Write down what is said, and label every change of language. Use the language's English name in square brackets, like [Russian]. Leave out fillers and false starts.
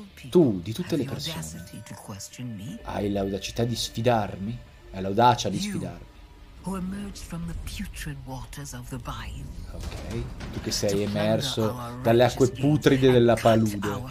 [Italian] Tu, di tutte le persone, hai l'audacità di sfidarmi? Hai l'audacia di sfidarmi? [English] Who emerged from the putrid waters of the Bile. [Italian] Ok, tu che sei emerso dalle acque putride della palude.